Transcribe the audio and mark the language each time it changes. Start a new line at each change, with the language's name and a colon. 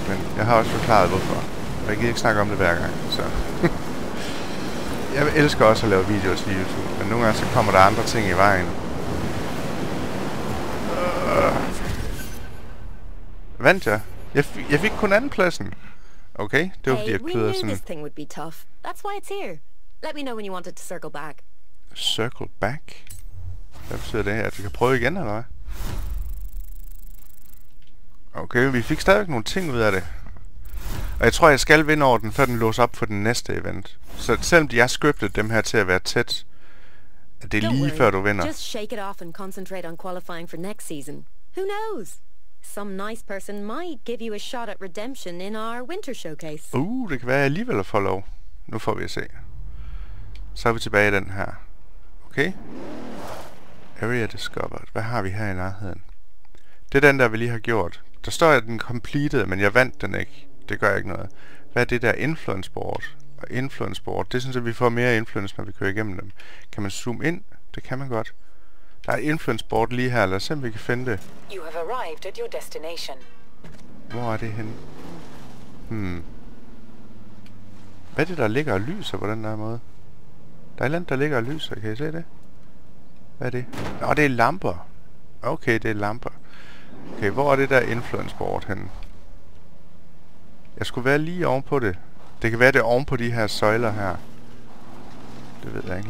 Danish: Men jeg har også forklaret, hvorfor. Og jeg gider ikke snakke om det hver gang, så jeg elsker også at lave videoer til YouTube, men nogle gange så kommer der andre ting i vejen. Vandt jeg? Jeg fik kun anden pladsen. Okay, det var fordi jeg kødede sådan.
English: Hey, we knew this thing would be tough. That's why it's here. Let me know when you want it to circle back. Circle back?
Danish: Hvad betyder det her? At vi kan prøve igen, eller hvad? Okay, vi fik stadig nogle ting ud af det. Og jeg tror, jeg skal vinde over den, før den låser op for den næste event. Så selvom de har scriptet dem her til at være tæt, at det er lige før du vinder.
English: Just shake it off and concentrate on qualifying for next season. Who knows? Some nice person might give you a shot at redemption in our winter showcase.
Danish: Det kan være, jeg alligevel får lov. Nu får vi at se. Så er vi tilbage i den her. Okay.
English: Area discovered.
Danish: Hvad har vi her i nærheden? Det er den, der vi lige har gjort. Der står, at den completed, men jeg vandt den ikke. Det gør ikke noget. Hvad er det der influence board? Og influence board, det synes jeg, vi får mere influence, når vi kører igennem dem. Kan man zoome ind? Det kan man godt. Der er influence board lige her. Lad os se, om vi kan finde det.
English: You have arrived at your destination.
Danish: Hvor er det henne? Hvad er det, der ligger og lyser på den der måde? Der er et land, der ligger og lyser. Kan I se det? Hvad er det? Nå, det er lamper. Okay, det er lamper. Okay, hvor er det der influence board henne? Jeg skulle være lige ovenpå det. Det kan være, det er ovenpå de her søjler her. Det ved jeg ikke.